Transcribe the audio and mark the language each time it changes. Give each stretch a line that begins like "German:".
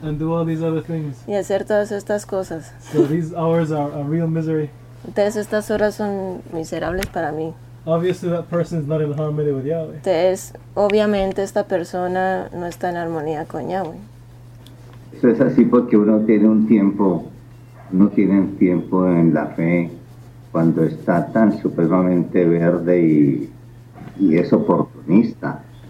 English: And do all these other things.
Spanish: Y hacer todas estas cosas.
English: So these hours are a real misery.
Spanish: Entonces estas horas son miserables para mí.
English: Obviously that person is not in harmony with Yahweh.
Spanish: Entonces, obviamente esta persona no está en armonía con Yahweh. Eso es así porque uno tiene un tiempo en la fe cuando está tan supremamente verde y es oportunista.